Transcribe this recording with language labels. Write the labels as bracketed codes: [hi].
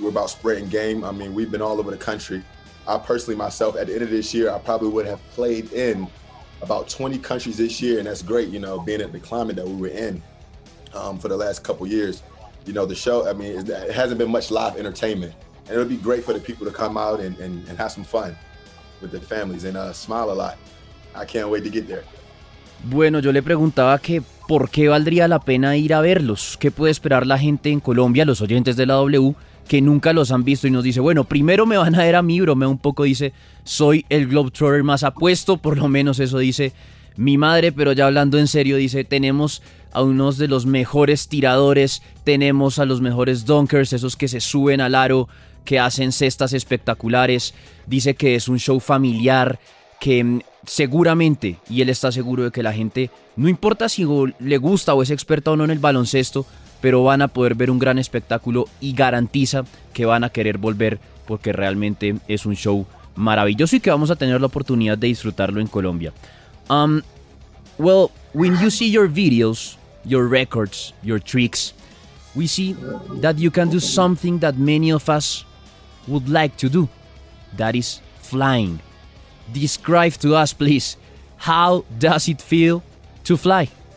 [en] We're about spreading game. I mean, we've been all over the country. I personally, myself, at the end of this year, I probably would have played in about 20 countries this year. And that's great, you know, being at the climate that we were in for the last couple years. You know, the show, I mean, it hasn't been much live entertainment. And it'll be great for the people to come out and have some fun with their families and smile a lot. I can't wait to get there. [es] Bueno, yo le preguntaba que por qué valdría la pena ir a verlos. ¿Qué puede esperar la gente en Colombia, los oyentes de la W, que nunca los han visto? Y nos dice, bueno, primero me van a ver a mí, bromea un poco, dice, soy el Globetrotter más apuesto, por lo menos eso dice mi madre, pero ya hablando en serio, dice, tenemos a unos de los mejores tiradores, tenemos a los mejores dunkers, esos que se suben al aro, que hacen cestas espectaculares, dice que es un show familiar, que seguramente, y él está seguro de que la gente, no importa si le gusta o es experta o no en el baloncesto, pero van a poder ver un gran espectáculo y garantiza que van a querer volver porque realmente es un show maravilloso y que vamos a tener la oportunidad de disfrutarlo en Colombia. [en] Well, when you see your videos, your records, your tricks, we see that you can do something that many of us would like to do. That is flying. Describe to us, please, how does it feel to fly?